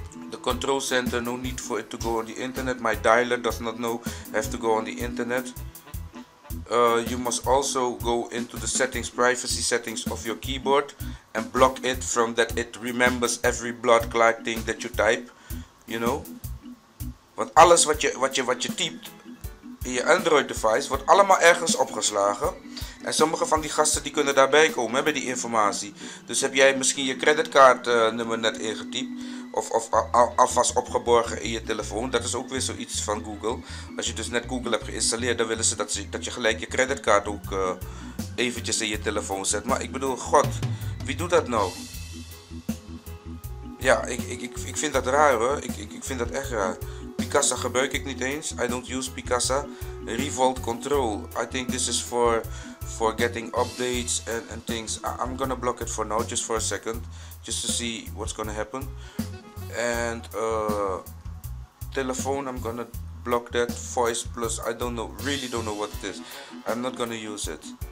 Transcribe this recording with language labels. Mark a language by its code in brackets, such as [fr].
[en] The control center, no need for it to go on the internet. My dialer does not know have to go on the internet. You must also go into the settings, privacy settings of your keyboard, and block it from that it remembers every blood clot thing that you type, you know. [nl] Want alles wat je typt in je Android device wordt allemaal ergens opgeslagen. En sommige van die gasten die kunnen daarbij komen, hebben die informatie. Dus heb jij misschien je creditcardnummer net ingetypt. Of alvast opgeborgen in je telefoon. Dat is ook weer zoiets van Google. Als je dus net Google hebt geïnstalleerd, dan willen ze dat je gelijk je creditcard ook eventjes in je telefoon zet. Maar ik bedoel, god, wie doet dat nou? Ja, ik vind dat raar hoor. Ik vind dat echt raar. Picasa gebruik ik niet eens. [en] I don't use Picasa. Revolt Control. I think this is for getting updates and things. I'm gonna block it for now, just for a second. Just to see what's gonna happen. And telephone, I'm gonna block that. Voice plus, I don't know, really don't know what it is. I'm not gonna use it.